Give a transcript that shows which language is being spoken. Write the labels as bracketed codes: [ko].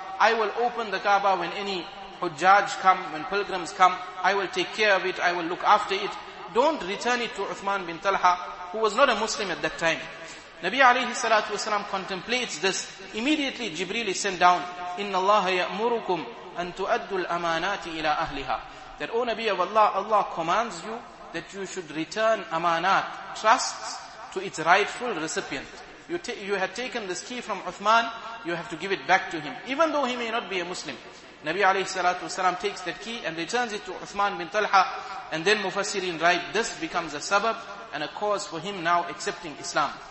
[en] I will open the Kaaba when any hujjaj come, when pilgrims come. I will take care of it. I will look after it. Don't return it to Uthman bin Talha, who was not a Muslim at that time. Nabi alayhi salatu wasalam contemplates this. Immediately Jibreel is sent down. [ar] Inna Allah ya'murukum أن تؤدوا الأمانات إلى أهلها. [en] That, O Nabi of Allah, Allah commands you that you should return amanat, trusts, to its rightful recipient. You have taken this key from Uthman, you have to give it back to him, even though he may not be a Muslim. Nabi alayhi salatu wasalam takes that key and returns it to Uthman bin Talha, and then Mufassirin write, this becomes a sabab and a cause for him now accepting Islam.